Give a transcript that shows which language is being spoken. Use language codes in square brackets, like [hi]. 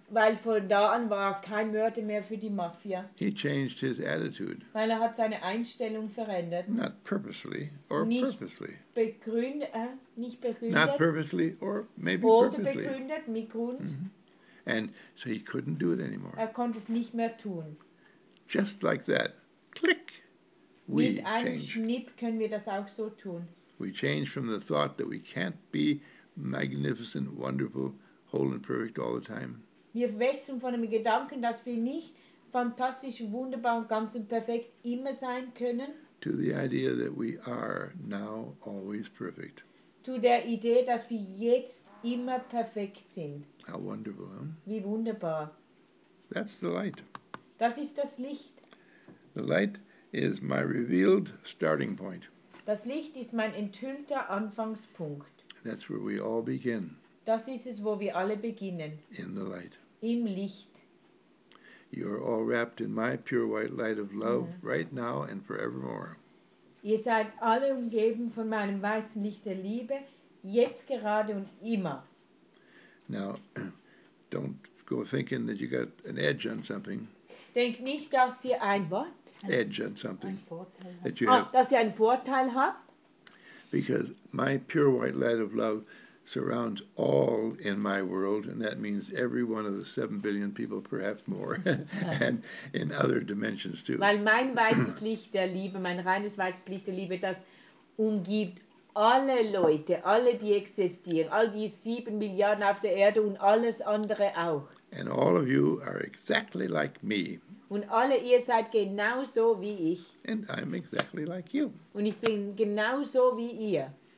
[de] Weil von da an war er kein Mörder mehr für die Mafia. [en] He changed his attitude. [de] Weil er hat seine Einstellung verändert. [en] Not purposely or [de] nicht [en] purposely. [de] Nicht begründet. [en] Not purposely or maybe [de] oder [en] purposely. [de] Begründet, mit Grund. Mm-hmm. [en] And so he couldn't do it anymore. [de] Er konnte es nicht mehr tun. [en] Just like that. Click. We mit einem change. [de] Schnipp können wir das auch so tun. [en] We change from the thought that we can't be magnificent, wonderful, whole and perfect all the time. [de] Wir wechseln von dem Gedanken, dass wir nicht fantastisch, wunderbar und ganz und perfekt immer sein können. [en] To the idea that we are now always perfect. [de] Zu der Idee, dass wir jetzt immer perfekt sind. [en] How wonderful, huh? [de] Wie wunderbar. [en] That's the light. [de] Das ist das Licht. [en] The light is my revealed starting point. [de] Das Licht ist mein enthüllter Anfangspunkt. [en] That's where we all begin. [de] Das ist es, wo wir alle beginnen. [en] In the light. [de] Im Licht. [en] You are all wrapped in my pure white light of love, yeah, right now and forevermore. [de] Ihr seid alle umgeben von meinem weißen Licht der Liebe, jetzt gerade und immer. [en] Now, don't go thinking that you got an edge on something. [de] Denk nicht, dass ihr ein Wort. [en] Edge on something. [de] Ein Vorteil. [en] That you have. [de] Dass ihr einen Vorteil habt. [en] Because my pure white light of love surrounds all in my world, and that means every one of the 7 billion people, perhaps more, and in other dimensions too. [de] Weil mein weißes Licht der Liebe, mein reines weißes Licht der Liebe, das umgibt alle Leute, alle die existieren, all die 7 Milliarden auf der Erde und alles andere auch. [en] And all of you are exactly like me. [de] Und alle ihr seid genauso wie ich. [en] And I'm exactly like you. [de] Und ich bin genauso wie ihr.